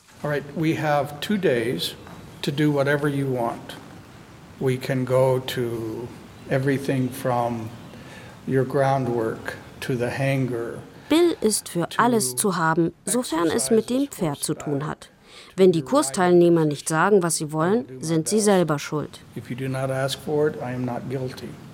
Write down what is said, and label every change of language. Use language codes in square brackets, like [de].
[en] All right, we have 2 days to do whatever you want. We can go to everything from your groundwork to the hanger. [de] Bill ist für alles zu haben, sofern es mit dem Pferd zu tun hat. Wenn die Kursteilnehmer nicht sagen, was sie wollen, sind sie selber schuld. [en] If you do not ask for it, I am not guilty.